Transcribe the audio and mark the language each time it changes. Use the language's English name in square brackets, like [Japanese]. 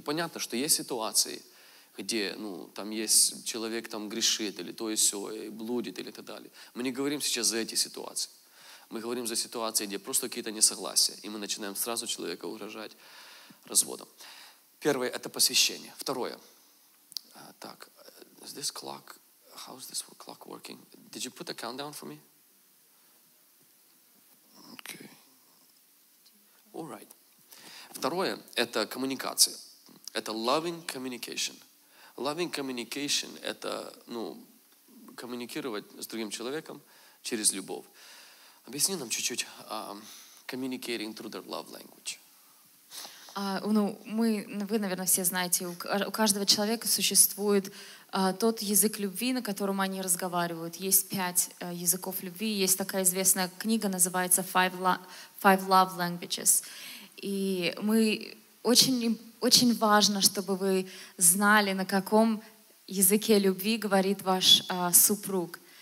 [Russian] Понятно, что есть ситуации, где, там есть человек, там грешит, или то и сё, и блудит, или так далее. Мы не говорим сейчас за эти ситуации. Мы говорим за ситуации, где просто какие-то несогласия, и мы начинаем сразу человека угрожать разводом. Первое — это посвящение. Второе. [English] Так, is this clock? How is this clock working? Did you put the countdown for me? Okay. All right. [Russian] Второе — это коммуникация. [English] Это loving communication. [Russian] Loving communication — это, коммуницировать с другим человеком через любовь. Объясни нам чуть-чуть [English] communicating through their love language. [Russian] Вы, наверное, все знаете, у каждого человека существует тот язык любви, на котором они разговаривают. Есть 5 языков любви. Есть такая известная книга, называется Five Love Languages. И мы очень, очень важно, чтобы вы знали, на каком языке любви говорит ваш супруг.